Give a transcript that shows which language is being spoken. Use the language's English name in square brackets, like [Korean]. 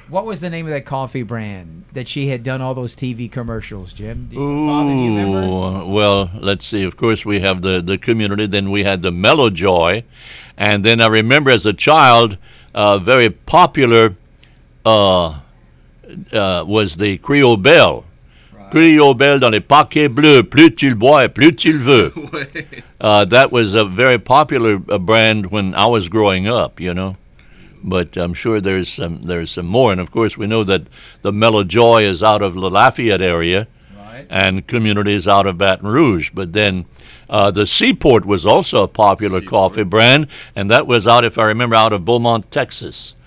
[English] What was the name of that coffee brand that she had done all those TV commercials, Jim? Well, let's see. Of course, we have the community. Then we had the Mellow Joy. And then I remember as a child, very popular was the Creole Belle. [French] Creole Belle dans les paquets bleus, plus tu le bois, plus tu le veux. [English] That was a very popular brand when I was growing up, you know. But I'm sure there's some more. And, of course, we know that the Mellow Joy is out of the Lafayette area and communities out of Baton Rouge. But then the Seaport was also a popular coffee brand, and that was out, if I remember, out of Beaumont, Texas.